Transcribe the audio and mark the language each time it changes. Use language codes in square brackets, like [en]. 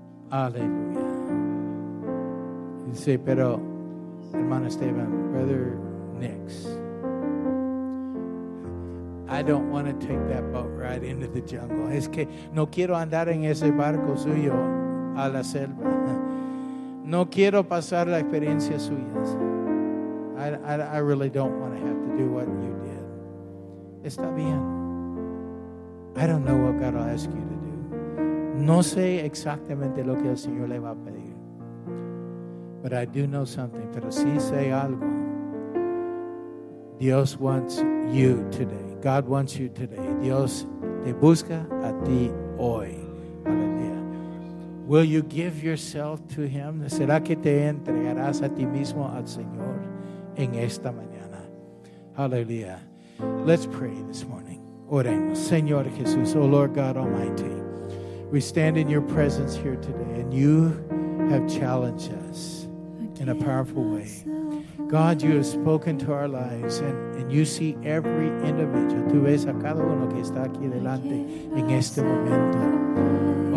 [en] Hallelujah. [es] Dice, pero, hermano Esteban, [en] Brother Nix, I don't want to take that boat right into the jungle. [es] Es que no quiero andar en ese barco suyo a la selva. No quiero pasar la experiencia suya. [en] I really don't want to have to do what you did. [es] Está bien. [en] I don't know what God will ask you to do. [es] No sé exactamente lo que el Señor le va a pedir. [en] But I do know something. [es] Pero sí sé algo. [en] Dios wants you today. God wants you today. [es] Dios te busca a ti hoy. Aleluya. [en] Will you give yourself to Him? [es] ¿Será que te entregarás a ti mismo al Señor en esta mañana? [en] Aleluya. Let's pray this morning. [es] Oremos. Señor Jesús, [en] oh Lord God Almighty, we stand in your presence here today and you have challenged us in a powerful way. God, you have spoken to our lives and you see every individual. [es] Tú ves a cada uno que está aquí delante en este momento.